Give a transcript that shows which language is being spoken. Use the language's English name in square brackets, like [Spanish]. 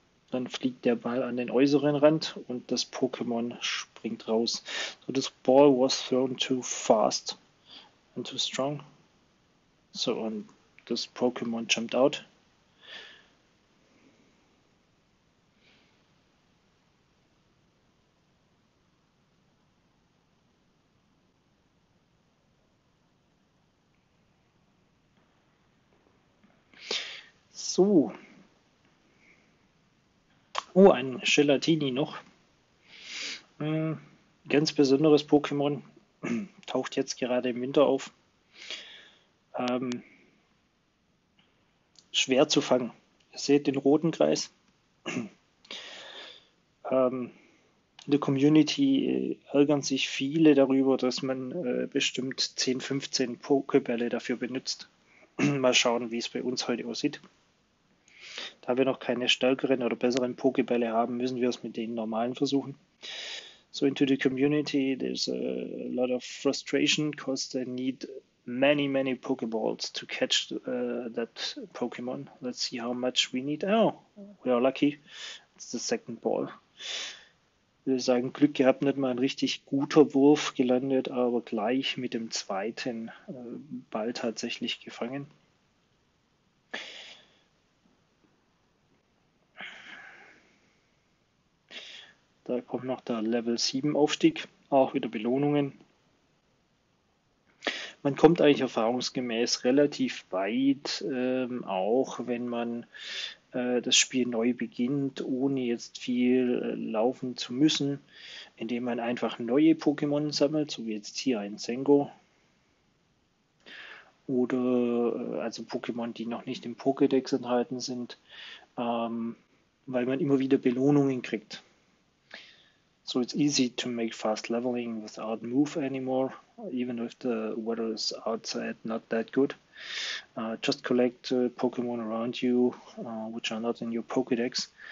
[German] Dann fliegt der Ball an den äußeren Rand und das Pokémon springt raus. [English] So, this ball was thrown too fast and too strong. [German] So, und das Pokémon [English] jumped out. So. [German] Oh, ein Gelatini noch. Ganz besonderes Pokémon. Taucht jetzt gerade im Winter auf. Schwer zu fangen. Ihr seht den roten Kreis. In der Community ärgern sich viele darüber, dass man bestimmt 10, 15 Pokébälle dafür benutzt. Mal schauen, wie es bei uns heute aussieht. Da wir noch keine stärkeren oder besseren Pokébälle haben, müssen wir es mit den normalen versuchen. [English] So into the community, there's a lot of frustration, because they need many, many Pokéballs to catch that Pokémon. Let's see how much we need. Oh, we are lucky. It's the second ball. [German] Wir sagen Glück gehabt, nicht mal ein richtig guter Wurf gelandet, aber gleich mit dem zweiten Ball tatsächlich gefangen. Da kommt noch der Level 7 Aufstieg, auch wieder Belohnungen. Man kommt eigentlich erfahrungsgemäß relativ weit, auch wenn man das Spiel neu beginnt, ohne jetzt viel laufen zu müssen, indem man einfach neue Pokémon sammelt, so wie jetzt hier ein Zengo. Oder also Pokémon, die noch nicht im Pokédex enthalten sind, weil man immer wieder Belohnungen kriegt. [English] So it's easy to make fast leveling without move anymore, even if the weather is outside not that good. Just collect Pokémon around you, which are not in your Pokédex.